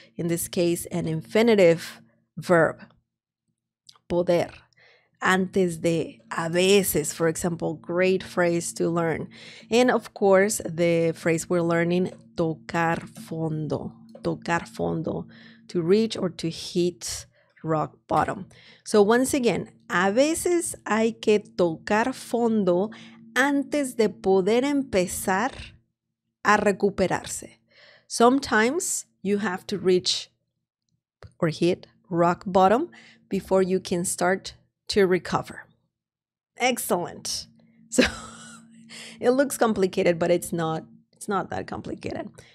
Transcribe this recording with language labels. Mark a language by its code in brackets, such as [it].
[en] In this case, an infinitive verb, poder, antes de, a veces, for example, great phrase to learn. And of course, the phrase we're learning, tocar fondo, to reach or to hit rock bottom. So once again, [es] a veces hay que tocar fondo antes de poder empezar a recuperarse. [en] Sometimes you have to reach or hit rock bottom before you can start to recover. Excellent. So it looks complicated, but it's not that complicated.